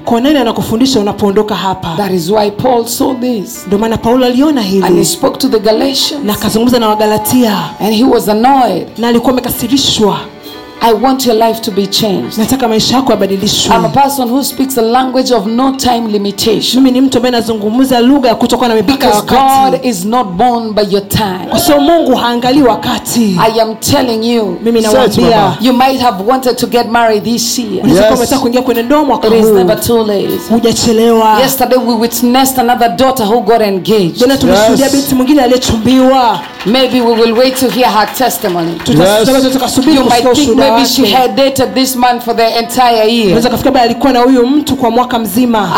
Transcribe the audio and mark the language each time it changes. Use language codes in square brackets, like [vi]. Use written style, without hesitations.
[sw] Kwa nani anakufundisha unapoondoka hapa? [en] That is why Paul saw this. [sw] Ndio maana Paulo aliona hili. [en] And he spoke to the Galatians. [sw] Na akazungumza na Wagalatia. [en] And he was annoyed. [sw] Na alikuwa amekasirishwa. [en] I want your life to be changed. [sw] Nataka maisha yako yabadilishwe. [en] I'm a person who speaks a language of no time limitation. [sw] Mimi ni mtu ambaye nazungumza lugha ya kutokuwa na mipaka ya wakati. [en] God is not bound by your time. [sw] Kwa sababu Mungu haangalii wakati. [en] I am telling you. [sw] Mimi nawaambia. [en] You might have wanted to get married this year. [sw] Unataka umetaka kuingia kwenye ndoa mwaka huu. [en] It is never too late. [sw] Hujachelewa. [en] Yesterday we witnessed another daughter who got engaged. [sw] Jana tulishuhudia binti mwingine aliyechumbiwa. [en] Maybe we will wait to hear her testimony. [sw] Tutasema tutakusubiri usikie. [en] Maybe she had dated this man for the entire year. [sw] Unaweza kufika baada alikuwa na huyo mtu kwa mwaka mzima.